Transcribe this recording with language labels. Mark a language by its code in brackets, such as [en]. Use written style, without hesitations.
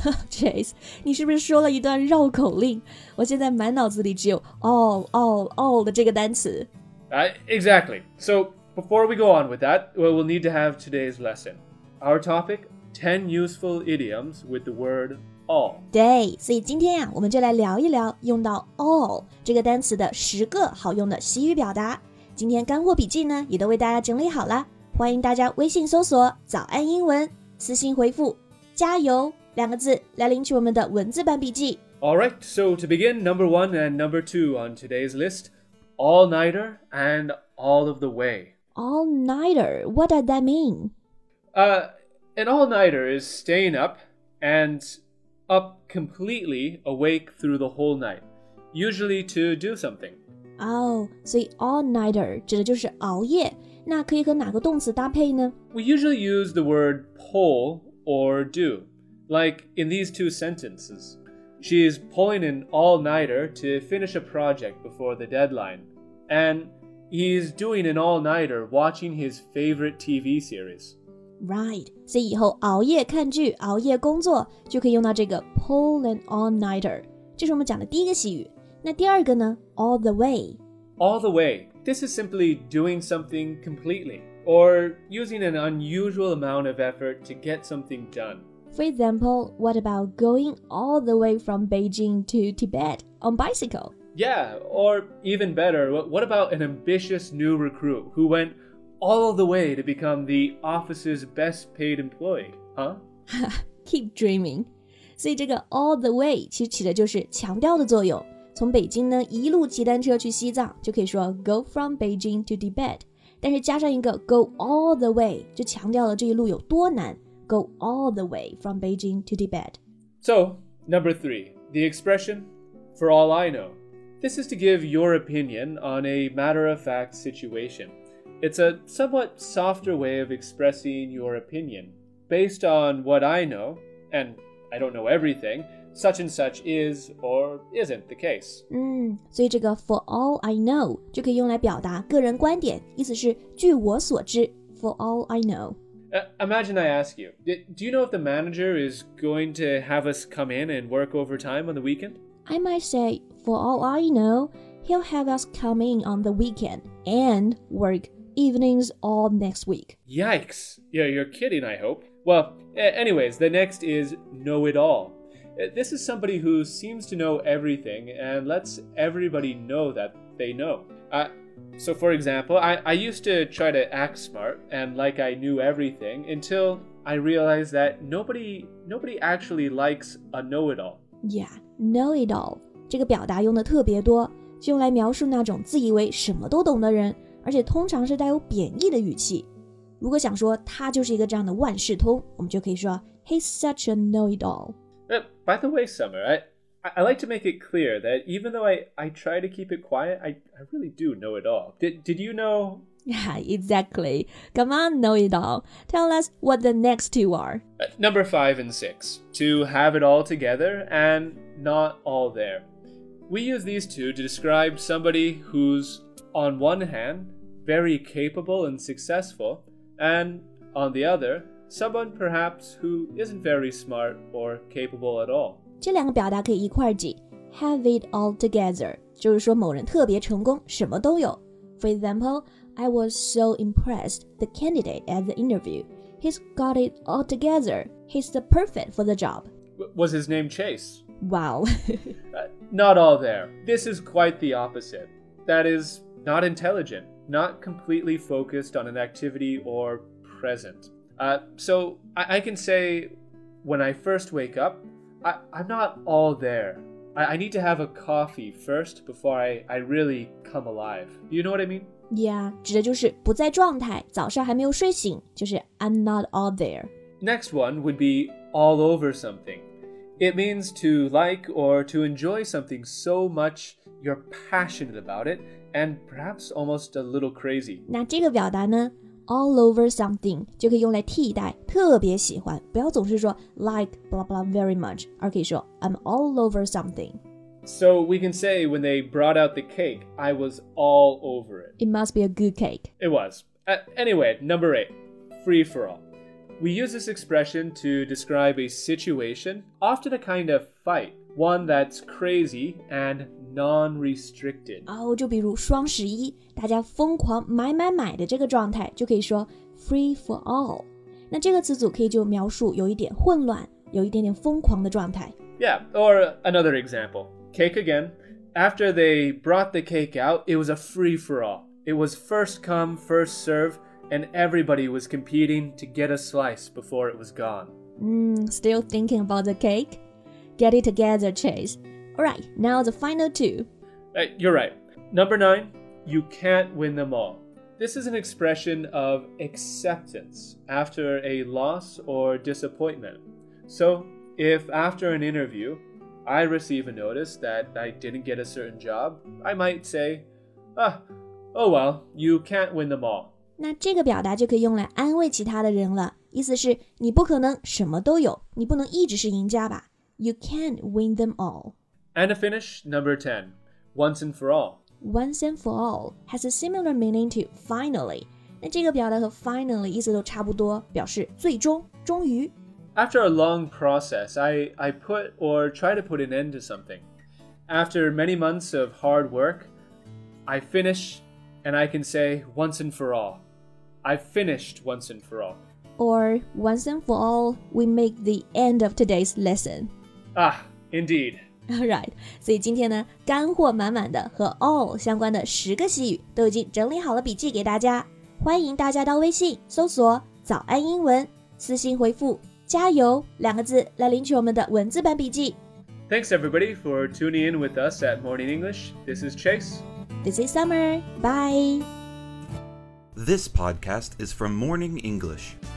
[zh] Chase, 你是不是说了一段绕口令？我现在满脑子里只有 all 的这个单词。 [en] Exactly. So before we go on with that, well, we'll need to have today's lesson. Our topic... 10 useful idioms with the word all. [zh] 对，所以今天啊，我们就来聊一聊用到 all 这个单词的十个好用的习语表达。今天干货笔记呢，也都为大家整理好了，欢迎大家微信搜索“早安英文”，私信回复“加油”两个字来领取我们的文字版笔记。 [en] All right, so to begin, number one and number two on today's list, all-nighter and all of the way. All-nighter, what does that mean? An all-nighter is staying up and up completely awake through the whole night, usually to do something. Oh, so [zh] all-nighter 指的就是熬夜，那可以和哪个动词搭配呢？ [en] We usually use the word pull or do, like in these two sentences. She is pulling an all-nighter to finish a project before the deadline, and he's doing an all-nighter watching his favorite TV series. Right, [zh] 所以以后熬夜看剧、熬夜工作就可以用到这个 [en] pull an all-nighter. [zh] 这是我们讲的第一个习语。那第二个呢 all the way. [en] All the way. This is simply doing something completely, or using an unusual amount of effort to get something done. For example, what about going all the way from Beijing to Tibet on bicycle? Yeah, or even better, what about an ambitious new recruit who went... all the way to become the office's best paid employee, huh? Keep dreaming. [zh] 所以这个 all the way 其实起的就是强调的作用。从北京呢一路骑单车去西藏就可以说 [en] go from Beijing to Tibet. [zh] 但是加上一个 go all the way, 就强调了这一路有多难。 [en] Go all the way from Beijing to Tibet. So, number three, the expression, for all I know. This is to give your opinion on a matter-of-fact situation. It's a somewhat softer way of expressing your opinion. Based on what I know, and I don't know everything, such and such is or isn't the case. [zh] 所以这个 for all I know 就可以用来表达个人观点，意思是据我所知 for all I know. [en] Imagine I ask you, do you know if the manager is going to have us come in and work overtime on the weekend? I might say, for all I know, he'll have us come in on the weekend and work overtime. Evenings all next week. Yikes! Yeah, you're kidding, I hope. Well, anyways, the next is know-it-all. This is somebody who seems to know everything and lets everybody know that they know. So for example, I used to try to act smart and like I knew everything until I realized that nobody actually likes a know-it-all. Yeah, know-it-all. [zh] 这个表达用的特别多，就用来描述那种自以为什么都懂的人。而且通常是带有贬义的语气。如果想说他就是一个这样的万事通，我们就可以说 [en] He's such a know-it-all. By the way, Summer, I like to make it clear that even though I try to keep it quiet, I really do know it all. Did you know? Yeah, exactly. Come on, know-it-all. Tell us what the next two are. Number five and six. To have it all together and not all there. We use these two to describe somebody who'sOn one hand, very capable and successful, and on the other, someone perhaps who isn't very smart or capable at all. [zh] 这两个表达可以一块记 Have it all together, 就是说某人特别成功，什么都有。 [en] For example, I was so impressed the candidate at the interview. He's got it all together. He's the perfect for the job. Was his name Chase? Wow. not all there. This is quite the opposite. That is... Not intelligent, not completely focused on an activity or present. So I can say, when I first wake up, I'm not all there. I need to have a coffee first before I really come alive. You know what I mean? Yeah, [zh] 指的就是不在状态，早上还没有睡醒，就是 [en] I'm not all there. Next one would be all over something. It means to like or to enjoy something so much you're passionate about it and perhaps almost a little crazy. [zh] 那这个表达呢All over something 就可以用来替代特别喜欢，不要总是说 [en] like blah blah very much， [zh] 而可以说 [en] I'm all over something. So we can say when they brought out the cake, I was all over it. It must be a good cake. It was. Anyway, number 8, free for all. We use this expression to describe a situation, often a kind of fight, one that's crazy and non-restricted. Oh, [zh] 就比如双十一大家疯狂买买买的这个状态就可以说 free for all. 那这个词组可以就描述有一点混乱有一点点疯狂的状态。 [en] Yeah, or another example. Cake again. After they brought the cake out, it was a free for all. It was first come, first serve, and everybody was competing to get a slice before it was gone. Still thinking about the cake? Get it together, Chase. Alright, now the final two. You're right. Number 9. You can't win them all. This is an expression of acceptance after a loss or disappointment. So, if after an interview, I receive a notice that I didn't get a certain job, I might say, oh well, you can't win them all. [zh] 那这个表达就可以用来安慰其他的人了。意思是你不可能什么都有，你不能一直是赢家吧。 [en] You can't win them all. And to finish, number 10, once and for all. Once and for all has a similar meaning to finally. [zh] 那这个表达和 finally 意思都差不多，表示最终、终于。 [en] After a long process, I put or try to put an end to something. After many months of hard work, I finish and I can say once and for all. I finished once and for all. Or once and for all, we make the end of today's lesson. Ah, indeed. Alright, [zh] 所以今天呢干货满满的和 all 相关的十个习语都已经整理好了笔记给大家。欢迎大家到微信搜索早安英文私信回复加油两个字来领取我们的文字版笔记。 [en] Thanks everybody for tuning in with us at Morning English. This is Chase. This is Summer. Bye. This podcast is from Morning English.